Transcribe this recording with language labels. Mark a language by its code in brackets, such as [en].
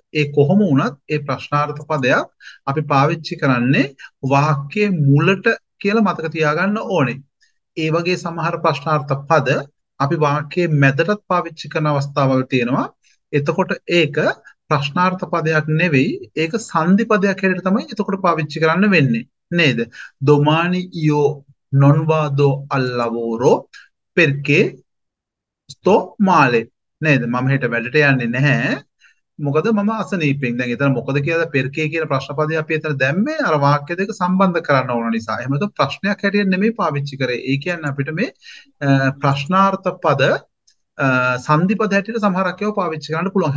[si] ඒ කොහොම වුණත් ඒ ප්‍රශ්නාර්ථ පදයක් අපි පාවිච්චි කරන්නේ වාක්‍යයේ මුලට කියලා මතක තියාගන්න ඕනේ. ඒ වගේ සමහර ප්‍රශ්නාර්ථ පද අපි වාක්‍යයේ මැදටත් පාවිච්චි කරන අවස්ථාවල් තියෙනවා. එතකොට ඒක ප්‍රශ්නාර්ථ පදයක් නෙවෙයි, ඒක සන්ධි පදයක් හැටියට තමයි එතකොට පාවිච්චි කරන්න වෙන්නේ නේද? [it] දොමානි යෝ non vado al lavoro perché sto male. [si] නේද? මම හෙට වැඩට යන්නේ නැහැ මොකද මම අසනීපෙන්. දැන් එතන මොකද කියද පෙර්කේ කියන ප්‍රශ්න පදේ අපි එතන දැම්මේ අර වාක්‍ය දෙක සම්බන්ධ කරන්න ඕන නිසා. එහෙම නැත්නම් ප්‍රශ්නයක් හැටියට නෙමෙයි පාවිච්චි කරේ. ඒ කියන්නේ අපිට මේ ප්‍රශ්නාර්ථ පද සන්ධි පද හැටියට සමහරක් ඒවා පාවිච්චි කරන්න පුළුවන්.